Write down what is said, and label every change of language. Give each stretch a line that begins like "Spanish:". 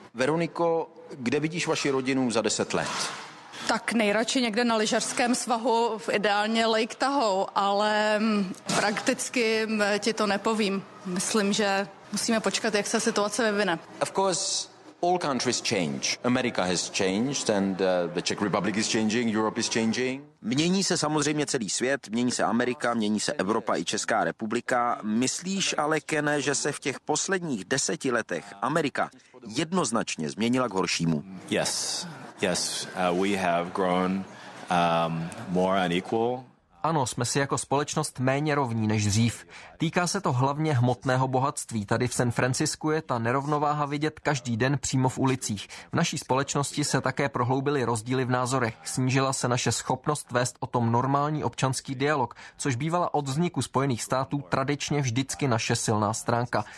Czech: Veroniko, kde vidíš vaši rodinu za 10 let? Tak nejradši někde na lyžařském svahu, ideálně Lake Tahoe, ale prakticky ti to nepovím. Myslím, že musíme počkat, jak se situace vyvine.
English: Of course. All countries change. America has changed and the Czech Republic is changing, Europe is changing.
Czech: Mění se samozřejmě celý svět, mění se Amerika, mění se Evropa i Česká republika. Myslíš ale, Kene, že se v těch posledních 10 letech Amerika jednoznačně změnila k horšímu?
English: Yes, we have grown more unequal.
Czech: Ano, jsme si jako společnost méně rovní než dřív. Týká se to hlavně hmotného bohatství. Tady v San Francisku je ta nerovnováha vidět každý den přímo v ulicích. V naší společnosti se také prohloubily rozdíly v názorech. Snížila se naše schopnost vést o tom normální občanský dialog, což bývala od vzniku Spojených států tradičně vždycky naše silná stránka.